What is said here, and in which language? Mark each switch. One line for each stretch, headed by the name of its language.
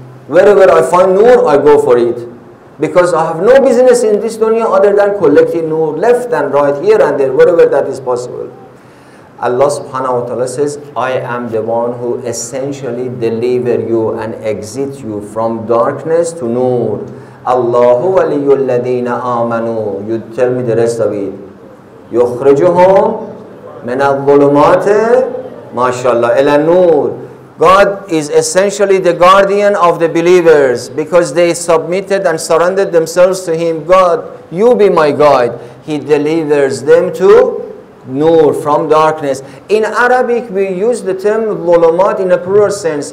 English: Wherever I find Nur, I go for it. Because I have no business in this dunya other than collecting Nur left and right, here and there, wherever that is possible. Allah subhanahu wa ta'ala says, I am the one who essentially deliver you and exit you from darkness to Nur.
Arabic: Allahu waliyu alladhina amanu.
English: You tell me the rest of it.
Arabic: يخرجهم من الظلمات ما شاء الله إلى النور.
English: God is essentially the guardian of the believers because they submitted and surrendered themselves to Him. God, you be my guide. He delivers them to Nur, from darkness. In Arabic, we use the term ظلمات in a plural sense.